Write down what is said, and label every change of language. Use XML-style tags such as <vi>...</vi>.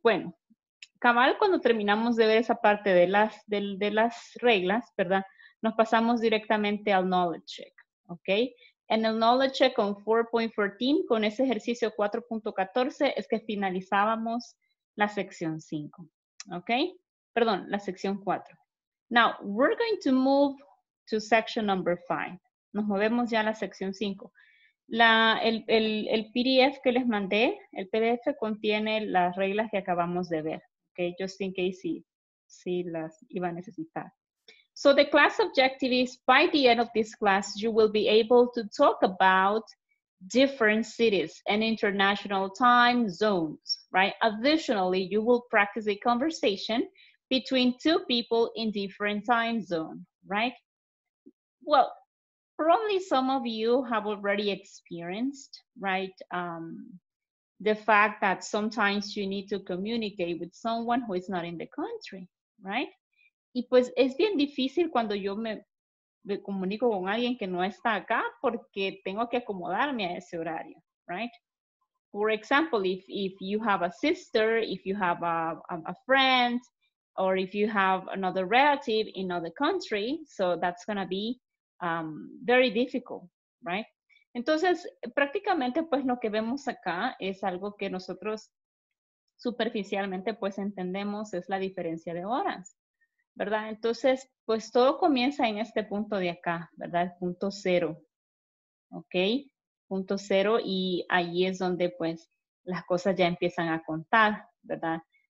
<es>Bueno, cabal cuando terminamos de ver esa parte de las reglas, ¿verdad? Nos pasamos directamente al knowledge check. Ok, en el knowledge check con 4.14, con ese ejercicio 4.14, es que finalizábamos la sección 5. Ok, perdón, la sección 4.</es> <en>Now, we're going to move to section number 5.</en> <es>Nos movemos ya a la sección 5. El PDF que les mandé, el PDF contiene las reglas que acabamos de ver.</es> <en>Okay, just in case</en> <es>si las iba a necesitar.</es> <en>So the class objective is by the end of this class, you will be able to talk about different cities and international time zones, right? Additionally, you will practice a conversation between two people in different time zone, right? Well, probably some of you have already experienced, right, the fact that sometimes you need to communicate with someone who is not in the country, right?</en> <es>Y pues es bien difícil cuando yo me comunico con alguien que no está acá porque tengo que acomodarme a ese horario, right?</es> <en>For example, if you have a sister, if you have a friend, or if you have another relative in another country, so that's going to be very difficult, right?</en> <es>Entonces, prácticamente, pues, lo que vemos acá es algo que nosotros superficialmente, pues, entendemos es la diferencia de horas, ¿verdad? Entonces, pues, todo comienza en este punto de acá, ¿verdad? El punto cero, ¿ok? Punto cero y ahí es donde, pues, las cosas ya empiezan a contar, ¿verdad?</es>